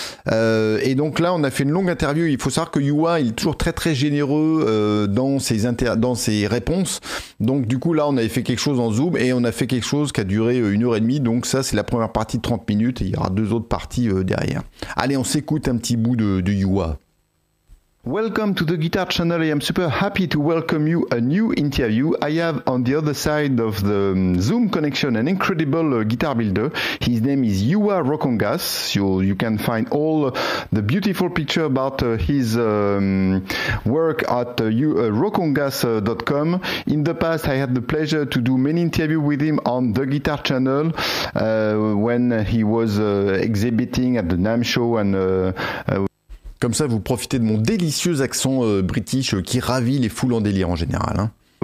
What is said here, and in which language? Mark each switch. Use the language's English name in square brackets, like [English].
[French] Et donc là, on a fait une longue interview. Il faut savoir que Juha, il est toujours très très généreux dans ses réponses. Donc du coup, là, on avait fait quelque chose en Zoom et on a fait quelque chose qui a duré 1h30, donc ça c'est la première partie de 30 minutes et il y aura deux autres parties derrière. Allez, on s'écoute un petit bout de Juha. [English] Welcome to the Guitar Channel. I am super happy to welcome you a new interview. I have on the other side of the Zoom connection an incredible guitar builder. His name is Juha Rokongas. You can find all the beautiful picture about his work at rokongas.com. In the past, I had the pleasure to do many interviews with him on the Guitar Channel when he was exhibiting at the NAMM show and... [French] Comme ça, vous profitez de mon délicieux accent british qui ravit les foules en délire en général. Hein.